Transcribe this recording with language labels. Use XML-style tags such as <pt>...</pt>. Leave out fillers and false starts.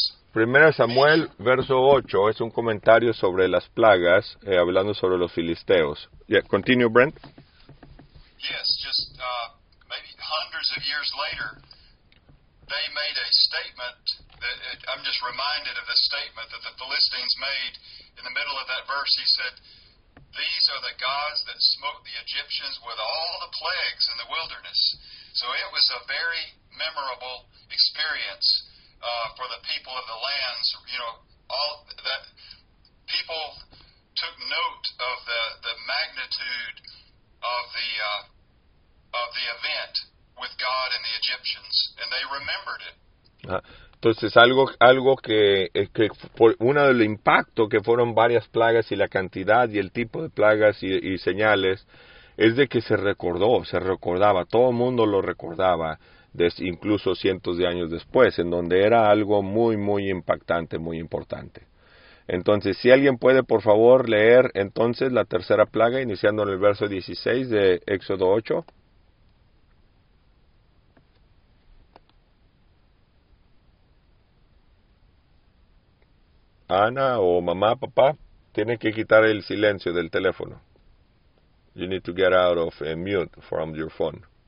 <es>Primero Samuel, verso 8, es un comentario sobre las plagas, hablando sobre los filisteos.</es> <en>Yeah, continue, Brent. Yes, just maybe hundreds of years later, they made a statement, I'm just reminded of the statement that the Philistines made in the middle of that verse. He said, these are the gods that smote the Egyptians with all the plagues in the wilderness. So it was a very memorable experience for the people of the lands. You know, all that people took note of the magnitude of the event with God and the Egyptians, and they remembered it.</en> <es>Entonces algo que por uno del impacto que fueron varias plagas y la cantidad y el tipo de plagas y señales es de que se recordaba, todo el mundo lo recordaba, incluso cientos de años después, en donde era algo muy, muy impactante, muy importante. Entonces, si alguien puede, por favor, leer entonces la tercera plaga, iniciando en el verso 16 de Éxodo 8. Ana o mamá, papá, tienen que quitar el silencio del teléfono.</es> <en>You need to get out of mute from your phone.</en>